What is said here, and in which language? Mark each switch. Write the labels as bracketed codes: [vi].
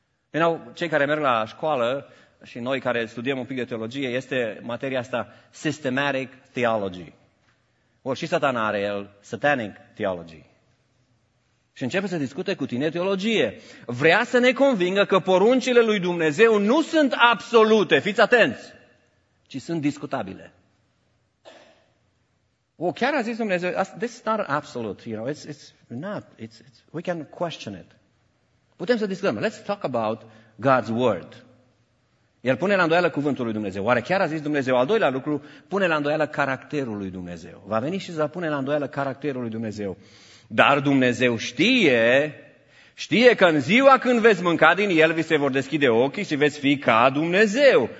[ro] Erau cei care merg la școală și noi care studiem un pic de teologie, este materia asta, systematic theology. Or, și Satana are el, satanic theology. Și începe să discute cu tine teologie. Vrea să ne convingă că poruncile lui Dumnezeu nu sunt absolute, fiți atenți, ci sunt discutabile. O, chiar a zis Dumnezeu, [en] this is not absolute, you know, it's not, it's we can question it. [ro] Putem să discutăm. [en] Let's talk about God's word. [ro] El pune la îndoială cuvântul lui Dumnezeu. Oare chiar a zis Dumnezeu? Al doilea lucru, pune la îndoială caracterul lui Dumnezeu. Va veni și să pune la îndoială caracterul lui Dumnezeu. Dar Dumnezeu știe că în ziua când veți mânca din el, vi se vor deschide ochii și veți fi ca Dumnezeu.